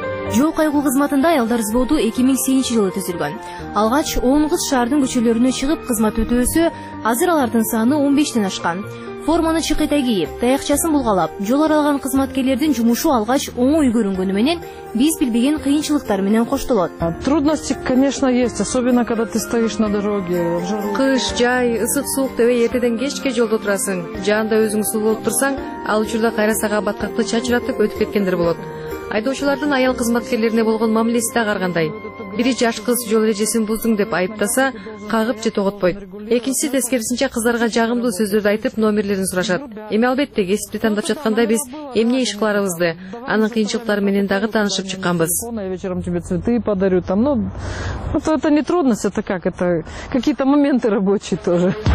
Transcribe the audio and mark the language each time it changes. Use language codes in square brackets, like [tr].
[ky] Жол кайгуу кызматында аялдар взводу 2008 жылы түзүлгөн. Алгач 10 кыз шаардын көчөлөрүнө чыгып кызмат өтөөсө, азыр алардын саны 15 ашкан. Форманы чыкыта кийип, таякчасын булгалап, жол аралаган кызматкерлердин жумушу алгач оңой көрүнгөнү менен биз билбеген кыйынчылыктар менен коштолот. [ru] Трудности, конечно, есть, особенно когда ты стоишь на дороге. [ky] Кыш, жай, ысык, суук дебей эртеден кечке жолдо турасың. Жанында өзүң суу болуп турсаң, ал учурда кайра сага баткакты чачыратып өтүп кеткендер болот. Айдоочулардын аял кызматкерлерине болгон мамилеси да каргандай. Бири жаш кыз жол эрежесин буздуң деп айыптаса, кагып же тоготпойт. Экинчиси тескерисинче кызларга жагымдуу сөздөрдү айтып номерлерин сурашат. Эми албетте кесипти тандап жатканда биз эмне иш кыларыбызды, анын кыйынчылыктары менен дагы таанышып чыкканбыз. [ru] Вечером тебе цветы подарю там. Ну, это не трудность, это как, это какие-то моменты рабочие тоже.